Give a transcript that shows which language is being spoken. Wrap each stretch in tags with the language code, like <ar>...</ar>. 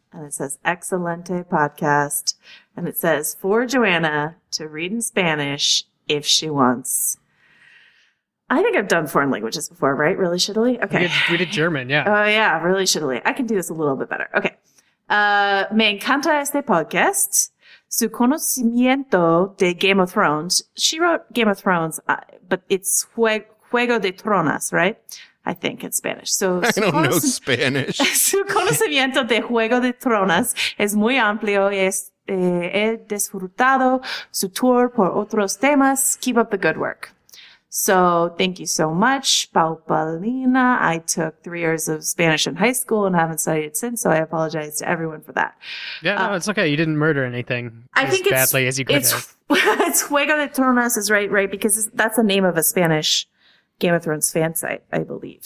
<en>And it says,</en> <es>excelente podcast.</es> <en>And it says, for Joanna to read in Spanish if she wants. I think I've done foreign languages before, right? Really shittily? Okay. We did German, yeah. Oh, yeah. Really shittily. I can do this a little bit better.</en> <es>Okay. Me encanta este podcast. Su conocimiento de Game of Thrones.</es> <en>She wrote Game of Thrones, but it's Juego de Tronas, right? I think in Spanish. So, I don't know Spanish.</en> <es>Su conocimiento de Juego de Tronas es muy amplio y es, he disfrutado su tour por otros temas.</es> <en>Keep up the good work. So thank you so much, Pau Paulina. I took 3 years of Spanish in high school and haven't studied it since, so I apologize to everyone for that. Yeah, no, it's okay. You didn't murder anything as badly as you could have. It's Juego de Tronas is right, because that's the name of a Spanish Game of Thrones fan site, I believe.</en>